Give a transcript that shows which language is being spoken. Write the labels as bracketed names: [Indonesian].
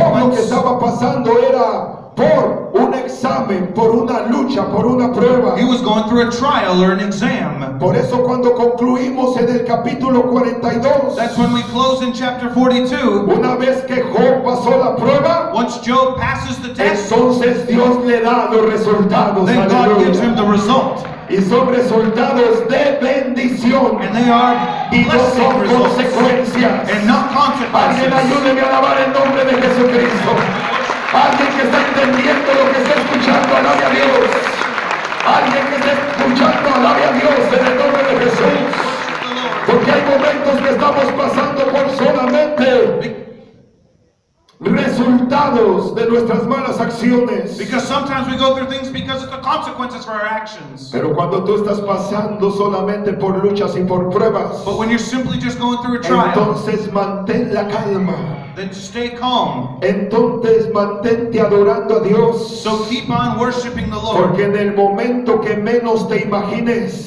[Spanish] Job lo que estaba pasando era por un examen, por una lucha, por una prueba. [English] He was going through a trial or an exam. [Spanish] Por eso cuando concluimos en el capítulo 42. [English] That's when we close in chapter 42. [Spanish] Una vez que Job pasó la prueba. [English] Once Job passes the test. [Spanish] Entonces Dios le da los resultados. [English] Then God gives him the result. [Spanish] Y son resultados de bendición. [English] And they are blessing results. And not consequences. [Spanish] Alguien ayúdeme a alabar el nombre de Jesucristo. Alguien que está entendiendo lo que está escuchando, alabe a Dios. Alguien que está escuchando, alabe a Dios en el nombre de Jesús. Porque hay momentos que estamos pasando por solamente resultados de nuestras malas acciones. [English] Because sometimes we go through things because of the consequences for our actions. [Spanish] Pero cuando tú estás pasando solamente por luchas y por pruebas. [English] But when you're simply just going through a trial. [Spanish] Entonces mantén la calma. [English] Then stay calm. [Spanish] Entonces mantente adorando a Dios. [English] So keep on worshiping the Lord. [Spanish] Porque en el momento que menos te imagines.